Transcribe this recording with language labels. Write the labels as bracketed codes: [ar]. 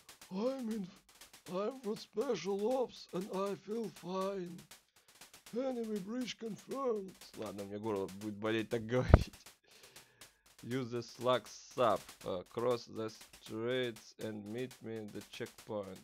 [en] I'm from Special Ops, and I feel fine. Enemy breach confirmed. [ru] Ладно, мне горло будет болеть так говорить. [en] Use the slug sub, cross the streets and meet me at the checkpoint.